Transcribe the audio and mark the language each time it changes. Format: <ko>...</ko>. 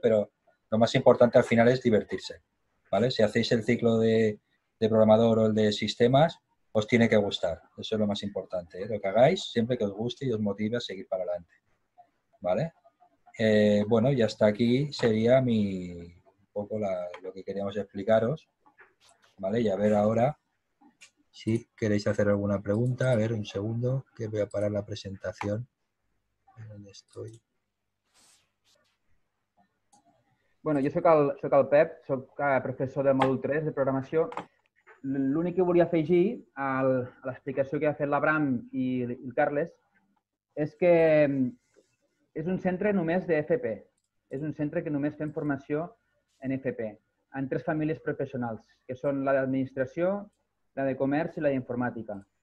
<ca>Però el més important al final és divertir-se.</ca> <es>¿Vale? Si hacéis el ciclo de programador o el de sistemes, os tiene que gustar. Eso es lo más importante, ¿eh? Lo que hagáis, siempre que os guste y os motive a seguir para adelante. ¿Vale? Bueno, y hasta aquí sería un poco lo que queríamos explicaros. ¿Vale? Y a ver ahora si queréis hacer alguna pregunta. A ver, un segundo, que voy a parar la presentación. ¿Dónde estoy? Bueno, yo soy el Pep, soy profesor de módulo 3 de programación.</es> <ca>L'únic que volia afegir a l'explicació que ha fet l'Abram i el Carles és que és un centre només de FP. És un centre que només fem formació en FP, en tres famílies professionals, que són la d'administració, la de comerç i la d'informàtica.</ca>